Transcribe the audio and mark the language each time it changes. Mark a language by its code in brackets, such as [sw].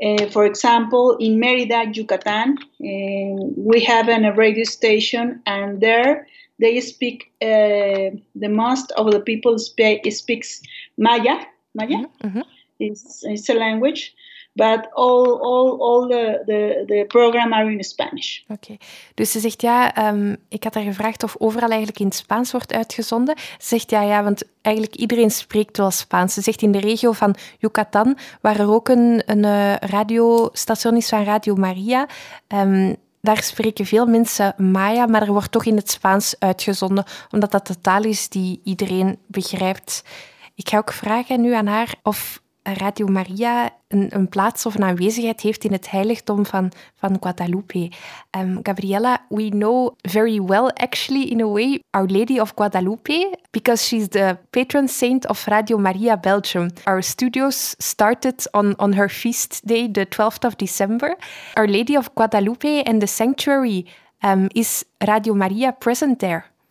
[en] For example, in Mérida, Yucatán, we have a radio station, and there they speak, the most of the people speaks Maya. Maya is a language, but all the program are in Spanish. Okay. [nl] Dus ze zegt, ja, ik had haar gevraagd of overal eigenlijk in het Spaans wordt uitgezonden. Ze zegt, ja, want eigenlijk iedereen spreekt wel Spaans. Ze zegt, in de regio van Yucatán, waar er ook een radiostation is van Radio Maria, daar spreken veel mensen Maya, maar er wordt toch in het Spaans uitgezonden, omdat dat de taal is die iedereen begrijpt. Ik ga ook vragen nu aan haar of Radio Maria een plaats of een aanwezigheid heeft in het heiligdom van Guadalupe. [en] Gabriela, we know very well, actually, in a way, Our Lady of Guadalupe, because she's the patron saint of Radio Maria Belgium. Our studios started on her feast day, the 12th of December. Our Lady of Guadalupe and the sanctuary, is Radio Maria present there?